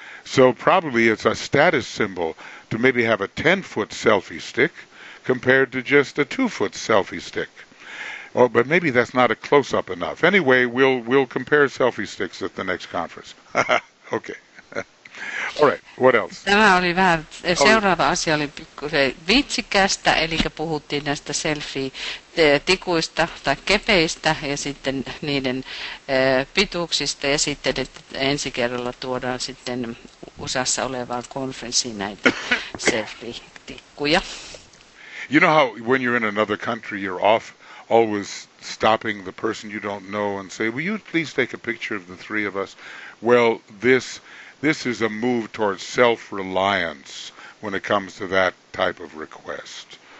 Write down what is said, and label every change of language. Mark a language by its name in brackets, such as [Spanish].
[English] So probably it's a status symbol to maybe have a 10-foot selfie stick compared to just a 2-foot selfie stick. Oh, but maybe that's not a close-up enough. Anyway, we'll compare selfie sticks at the next conference. Okay. All right, what else? [Finnish] Tämä oli vähän, seuraava asia oli pikkuisen vitsikästä, eli puhuttiin näistä selfie-tikuista tai kepeistä ja sitten niiden pituuksista ja sitten, että ensi kerralla tuodaan sitten USA:ssa olevaan konferenssiin näitä selfie-tikkuja. [English] You know how when you're in another country, you're off always stopping the person you don't know and say, will you please take a picture of the three of us? Well, this is a move towards self-reliance when it comes to that type of request.